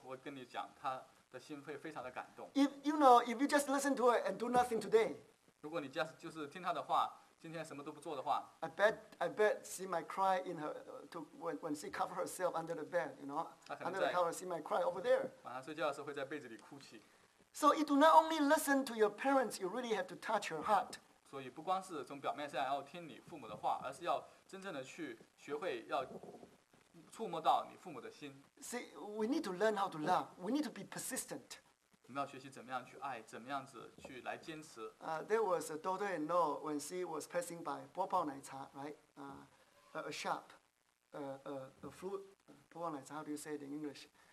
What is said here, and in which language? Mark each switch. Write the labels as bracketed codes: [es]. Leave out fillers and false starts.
[zh] 但是如果你去给她买一件她非常需要的东西的话，这样我跟你讲，她的心会非常的感动。 [en] If you know, if you just listen to her and do nothing today, [zh] 如果你就是听她的话，今天什么都不做的话， [en] I bet she might cry in her when she cover herself under the bed, you know, under the cover she might cry over there. [zh] 晚上睡觉的时候会在被子里哭泣。 [en] So you do not only listen to your parents, you really have to touch her heart. [zh] 所以不光是从表面上要听你父母的话，而是要真正的去学会要触摸到你父母的心。 [en] See, we need to learn how to love. We need to be persistent. [zh] 我们要学习怎么样去爱，怎么样子去来坚持。 [en] There was a daughter-in-law when she was passing by 波泡奶茶, right? A shop, a fruit, 波泡奶茶, how do you say it in English?